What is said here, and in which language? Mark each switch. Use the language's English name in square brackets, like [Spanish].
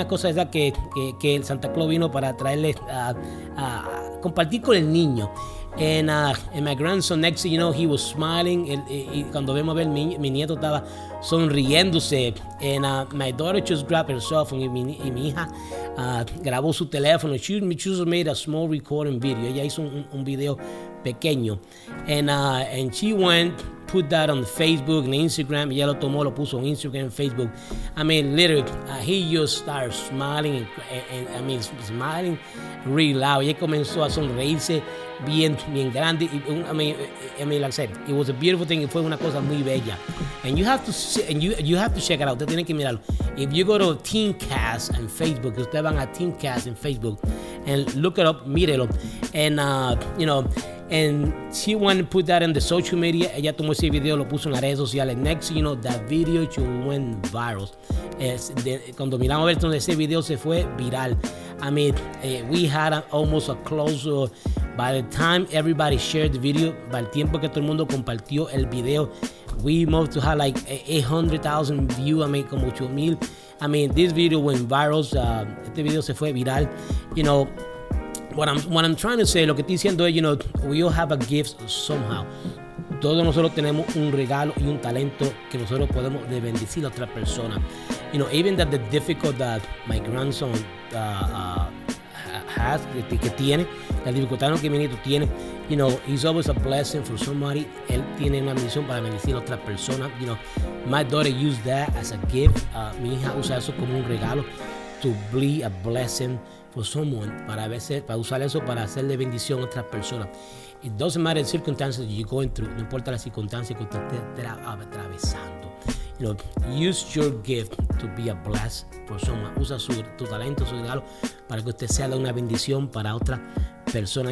[Spanish] Una cosa es la que el Santa Claus vino para traerle, compartir con el niño. [English] And my grandson, next thing you know, he was smiling. [Spanish] Y cuando vemos a ver, mi nieto estaba sonriéndose. [English] And my daughter just grabbed her cell phone. [Spanish] Y mi hija grabó su teléfono. [English] She just made a small recording video. [Spanish] Ella hizo un video pequeño. [English] And she went, put that on Facebook and Instagram. [Spanish] Ella lo tomó, lo puso en Instagram [English] and Facebook. I mean, literally, he just started smiling. Smiling really loud. [Spanish] Ella comenzó a sonreírse. Bien grande. [English] It was a beautiful thing. [Spanish] Fue una cosa muy bella. [English] And you have to see, and you have to check it out. [Spanish] Usted tiene que mirarlo. [English] If you go to Teen Cast and Facebook, [Spanish] usted van a [English] Teen Cast and Facebook and look it up, [Spanish] mírelo. [English] And you know, and she wanted to put that in the social media. [Spanish] Ella tomó ese video, lo puso en las redes sociales. [English] Next, you know, that video went viral. [Spanish] Cuando miramos a ver donde ese video se fue viral. [English] I mean, we had almost a close. By the time everybody shared the video, by [Spanish] el tiempo que todo el mundo compartió el video, [English] we moved to have like 800,000 views. I mean, [Spanish] como 8,000. [English] I mean, this video went viral. [Spanish] Este video se fue viral. [English] You know, what I'm trying to say, [Spanish] lo que estoy diciendo es, [English] you know, we all have a gift somehow. [Spanish] Todos nosotros tenemos un regalo y un talento que nosotros podemos de bendecir a otra persona. [English] You know, even that the difficult that my grandson has, [Spanish] que tiene, la dificultad que mi nieto tiene, [English] you know, he's always a blessing for somebody. [Spanish] Él tiene una misión para bendecir a otra persona. [English] You know, my daughter used that as a gift. [Spanish] Mi hija usa eso como un regalo [English] to be a blessing for someone, [Spanish] para usar eso para hacerle bendición a otra persona. [English] It doesn't matter the circumstances you're going through, [Spanish] no importa las circunstancias que usted esté atravesando. [English] You know, use your gift to be a bless for someone. [Spanish] Usa tu talento, su regalo, para que usted sea de una bendición para otra persona.